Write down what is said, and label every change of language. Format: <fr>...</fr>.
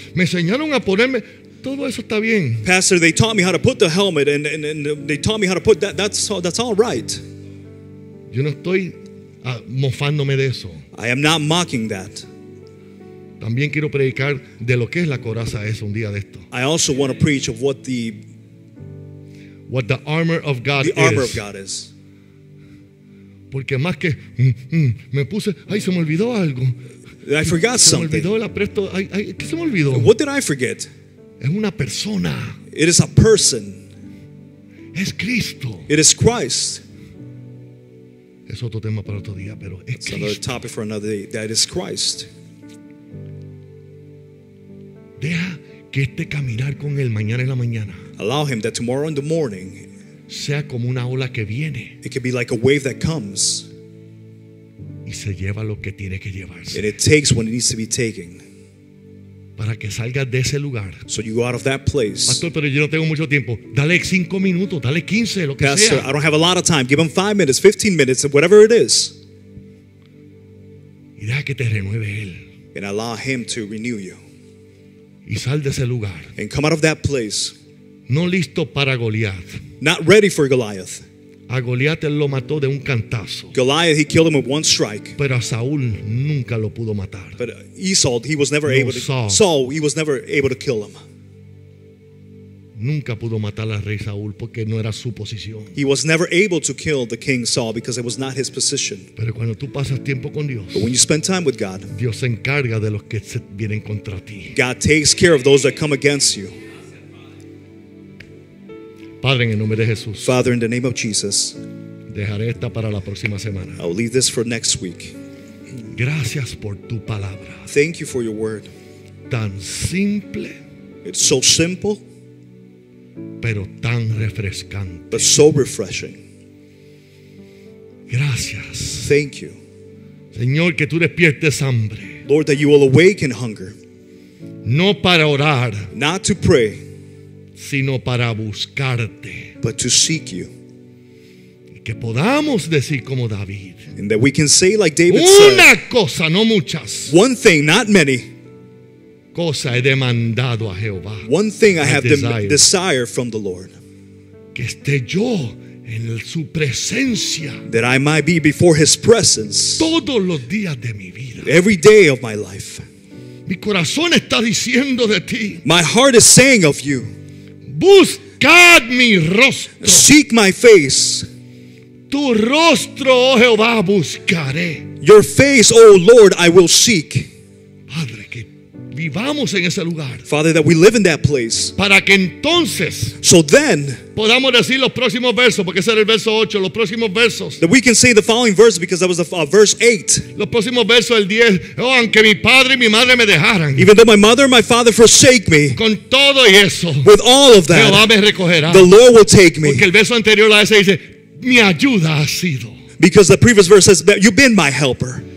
<es>Me enseñaron a ponerme... Todo eso está bien.</es> <en>Pastor, they taught me how to put the helmet and they taught me how to put that. That's all right.</en> <es>Yo no estoy mofándome de eso.</es> <en>I am not mocking that.</en> <es>También quiero predicar de lo que es la coraza es un día de esto.</es> <en>I also want to preach of what the armor of God is. The armor of God is.</en> <es>Porque más que me puse, ay, se me olvidó algo.</es> <en>I forgot something.</en> <es>Se me olvidó el apresto. ¿Qué se me olvidó?</es> <en>What did I forget?</en> <es>Es una persona.</es> <en>It is a person.</en> <es>Es Cristo. It is Christ. Es otro tema para otro día, pero es Cristo.</es> <en>Another topic for another day. That is Christ.</en> <es>Deja que este caminar con él mañana en la mañana.</es> <en>Allow him that tomorrow in the morning.</en> <es>Sea como una ola que viene.</es> <en>It can be like a wave that comes.</en> <es>Y se lleva lo que tiene que llevarse.</es> <en>And it takes what it needs to be taken.</en> <es>Para que salgas de ese lugar.</es> <en>So you go out of that place.</en> <es>Pastor, pero yo no tengo mucho tiempo. Dale 5 minutos, dale 15, lo que Pastor, sea.</es> <en>Pastor, I don't have a lot of time. Give him 5 minutes, 15 minutes, whatever it is.</en> <es>Y deja que te renueve él.</es> <en>And allow him to renew you.</en> <es>y sal de ese lugar.</es> <en>And come out of that place.</en> <es>No listo para Goliath.</es> <en>Not ready for Goliath.</en> <es>A Goliath él lo mató de un cantazo.</es> <en>Goliath, he killed him with one strike.</en> <es>Pero a Saúl nunca lo pudo matar.</es> <en>But Esau, he was never able to. Saul, he was never able to kill him.</en> <es>Nunca pudo matar al rey Saúl porque no era su posición.</es> <en>He was never able to kill the king Saul because it was not his position.</en> <es>Pero cuando tú pasas tiempo con Dios,</es> <en>but when you spend time with God,</en> <es>Dios se encarga de los que se vienen contra ti.</es> <en>God takes care of those that come against you.</en> <es>Padre, en el nombre de Jesús.</es> <en>Father, in the name of Jesus.</en> <es>Dejaré esta para la próxima semana.</es> <en>I'll leave this for next week.</en> <es>Gracias por tu palabra.</es> <en>Thank you for your word.</en> <es>Tan simple.</es> <en>It's so simple.</en> <es>Pero tan refrescante.</es> <en>But so refreshing.</en> <es>Gracias.</es> <en>Thank you.</en> <es>Señor, que tú despiertes hambre.</es> <en>Lord, that you will awaken hunger.</en> <es>No para orar.</es> <en>Not to pray.</en> <es>Sino para buscarte.</es> <en>But to seek you.</en> <es>Y que podamos decir como David.</es> <en>And that we can say like David said.</en> <es>Una cosa, no muchas.</es> <en>One thing, not many.</en> <es>Cosa he demandado a Jehová.</es> <en>One thing I have desire from the Lord.</en> <es>Que esté yo en su presencia.</es> <en>That I might be before his presence.</en> <es>Todos los días de mi vida.</es> <en>Every day of my life.</en> <es>Mi corazón está diciendo de ti.</es> <en>My heart is saying of you.</en> <es>Buscad mi rostro.</es> <en>Seek my face.</en> <es>Tu rostro, oh Jehová, buscaré.</es> <en>Your face, oh Lord, I will seek.</en> <es>Padre, que vivamos en ese lugar.</es> <en>Father, that we live in that place.</en> <es>Para que entonces,</es> <en>so then,</en> <es>podamos decir los próximos versos, porque ese era el verso 8, los próximos versos.</es> <en>That we can say the following verse because that was the verse 8.</en> <es>Los próximos versos, el 10, oh, aunque mi padre y mi madre me dejaran.</es> <en>Even though my mother and my father forsake me.</en> <es>Con todo y eso.</es> <en>With all of that.</en> <es>Jehová me recogerá.</es> <en>The Lord will take me.</en> <es>Porque el verso anterior a ese dice, mi ayuda ha sido.</es> <en>Because the previous verse says, you've been my helper.</en>